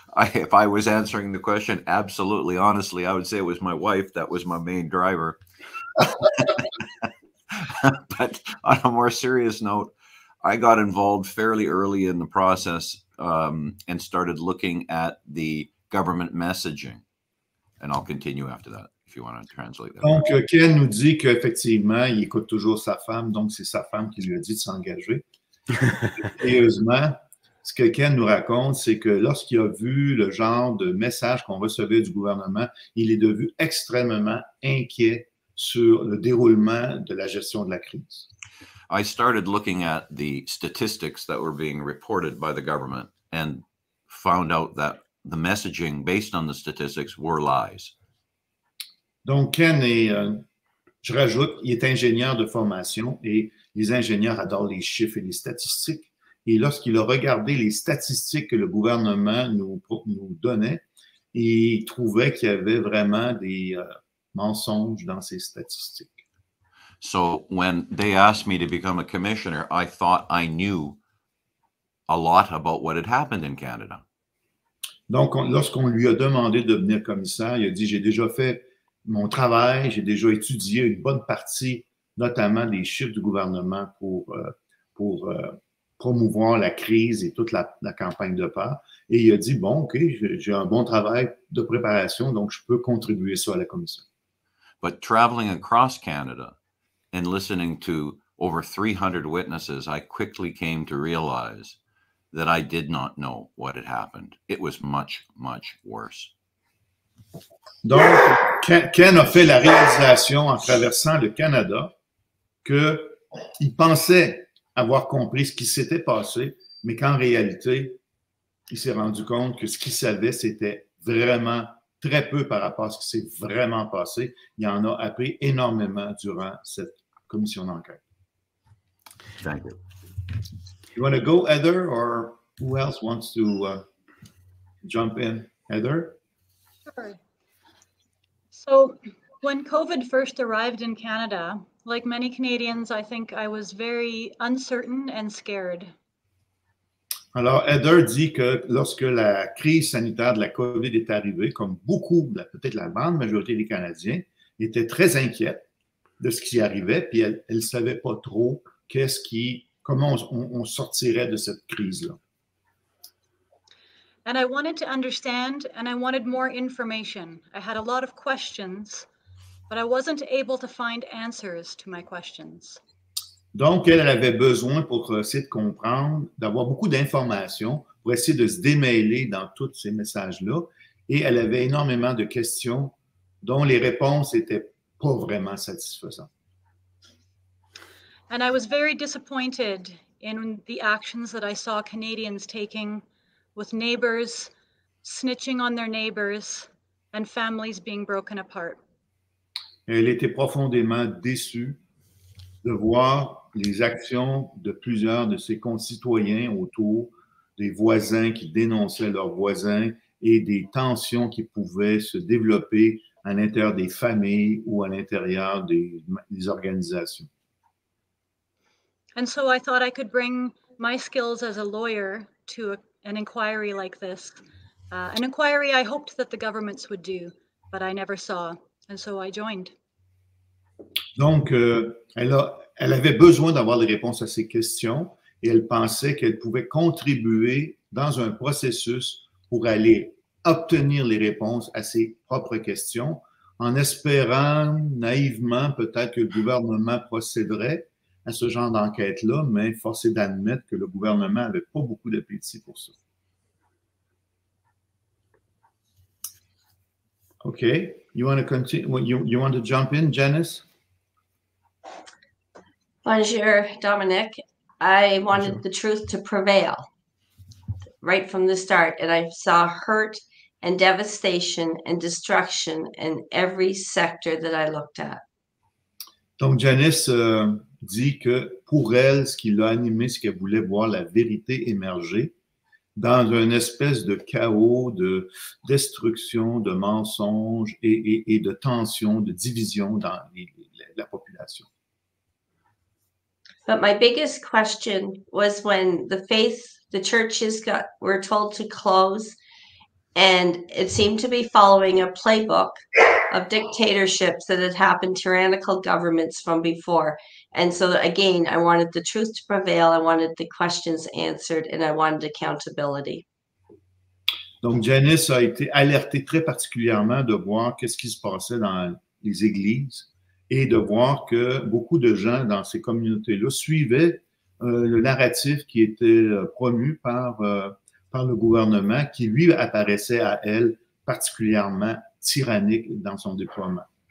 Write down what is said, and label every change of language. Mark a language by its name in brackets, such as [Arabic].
[English] If I was answering the question, absolutely, honestly, I would say it was my wife that was my main driver. But on a more serious note, I got involved fairly early in the process and started looking at the government messaging. And I'll continue after that, if you want to translate that. [French] Donc, Ken nous dit qu'effectivement, il écoute toujours sa femme, donc c'est sa femme qui lui a dit de s'engager. Sérieusement, ce que Ken nous raconte, c'est que lorsqu'il a vu le genre de message qu'on recevait du gouvernement, il est devenu extrêmement inquiet sur le déroulement de la gestion de la crise. [English] I started looking at the statistics that were being reported by the government and found out that the messaging based on the statistics were lies. [French] Donc Ken est, je rajoute, il est ingénieur de formation et les ingénieurs adorent les chiffres et les statistiques. Et lorsqu'il a regardé les statistiques que le gouvernement nous donnait, il trouvait qu'il y avait vraiment des mensonges dans ces statistiques. [English] So when they asked me to become a commissioner, I thought I knew a lot about what had happened in Canada. [French] Donc, lorsqu'on lui a demandé de devenir commissaire, il a dit, j'ai déjà fait mon travail, j'ai déjà étudié une bonne partie, notamment les chiffres du gouvernement pour promouvoir la crise et toute la campagne de peur. Et il a dit, bon, OK, j'ai un bon travail de préparation, donc je peux contribuer ça à la commission. [English] But traveling across Canada and listening to over 300 witnesses, I quickly came to realize that I did not know what had happened. It was much, much worse. [French] Donc, Ken a fait la réalisation en traversant le Canada qu'il pensait avoir compris ce qui s'était passé, mais qu'en réalité, il s'est rendu compte que ce qu'il savait, c'était vraiment très peu par rapport à ce qui s'est vraiment passé. Il en a appris énormément durant cette commission d'enquête. [English] Thank you. You want to go, Heather, or who else wants to jump in? Heather? Sure. So, when COVID first arrived in Canada, like many Canadians, I think I was very uncertain and scared. [French] Alors, Heather dit que lorsque la crise sanitaire de la COVID est arrivée, comme beaucoup, peut-être la grande majorité des Canadiens, était très inquiète de ce qui arrivait, puis elle ne savait pas trop qu'est-ce qui, comment on sortirait de cette crise-là. [English] And I wanted to understand, and I wanted more information. I had a lot of questions, but I wasn't able to find answers to my questions. [French] Donc, elle avait besoin pour essayer de comprendre, d'avoir beaucoup d'informations, pour essayer de se démêler dans tous ces messages-là. Et elle avait énormément de questions dont les réponses n'étaient pas vraiment satisfaisantes. [English] And I was very disappointed in the actions that I saw Canadians taking with neighbors, snitching on their neighbors, and families being broken apart. [French] Elle était profondément déçue de voir les actions de plusieurs de ses concitoyens autour des voisins qui dénonçaient leurs voisins et des tensions qui pouvaient se développer à l'intérieur des familles ou à l'intérieur des organisations. [English] And so I thought I could bring my skills as a lawyer to an inquiry like this. An inquiry I hoped that the governments would do, but I never saw. And so I joined. [French] Donc, elle avait besoin d'avoir les réponses à ses questions et elle pensait qu'elle pouvait contribuer dans un processus pour aller obtenir les réponses à ses propres questions en espérant naïvement peut-être que le gouvernement procéderait à ce genre d'enquête-là, mais force est d'admettre que le gouvernement n'avait pas beaucoup d'appétit pour ça. [English] OK. You want to continue? You want to jump in, Janice? [French] Bonjour, Dominic. [English] I wanted Bonjour. The truth to prevail right from the start, and I saw hurt and devastation and destruction in every sector that I looked at. [French] Donc, Janice dit que pour elle, ce qui l'a animé, c'est qu'elle voulait voir la vérité émerger dans une espèce de chaos, de destruction, de mensonges et de tensions, de divisions dans la population. [English] But my biggest question was when the faith, the churches got were told to close, and it seemed to be following a playbook of dictatorships that had happened, tyrannical governments from before. And so again, I wanted the truth to prevail, I wanted the questions answered, and I wanted accountability. [French] Donc Janice a été alertée très particulièrement de voir qu'est-ce qui se passait dans les églises. Et de voir que beaucoup de gens dans ces communautés-là suivaient le narratif qui était promu par le gouvernement, qui lui apparaissait à elle particulièrement tyrannique dans son déploiement.